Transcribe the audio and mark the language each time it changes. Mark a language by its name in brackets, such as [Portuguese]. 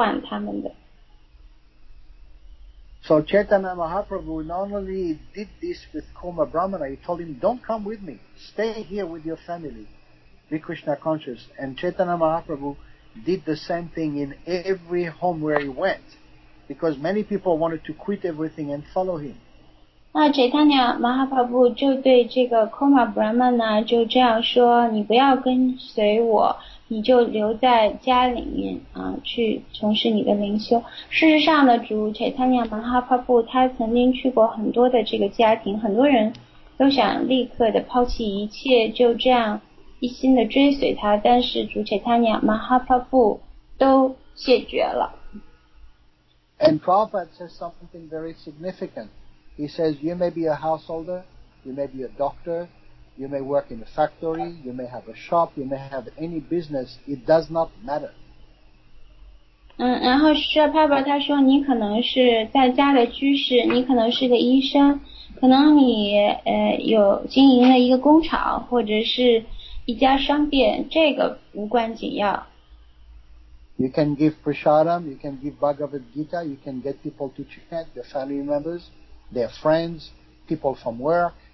[Chinese] 我们拿他们怎么办？我们应该鼓励他们就在这个家中，然后呢，让他们耐心的这个等待，我们会呼唤他们的。 [English] So Chaitanya Mahaprabhu not only did this with Koma Brahmana, he told him, "Don't come with me. Stay here with your family. Be Krishna conscious." And Chaitanya Mahaprabhu did the same thing in every home where he went. Because many people wanted to quit everything and follow him. [Chinese] 那 Chaitanya Mahaprabhu 就对这个 Koma Brahmana 就这样说，你不要跟随我，你就留在家里面啊，去从事你的灵修。事实上呢，主 Chaitanya Mahaprabhu 他曾经去过很多的这个家庭，很多人都想立刻的抛弃一切，就这样一心的追随他，但是主 Chaitanya Mahaprabhu 都谢绝了。 [English] And Prabhupada says something very significant. He says, you may be a householder, you may be a doctor, you may work in a factory, you may have a shop, you may have any business, it does not matter. [Chinese] 然后是Prabhupada他说，你可能是在家的居士，你可能是个医生，可能你有经营了一个工厂，或者是一家商店，这个无关紧要。 [English] You can give prasadam, you can give Bhagavad Gita, you can get people to chant, their family members, their friends, people from work.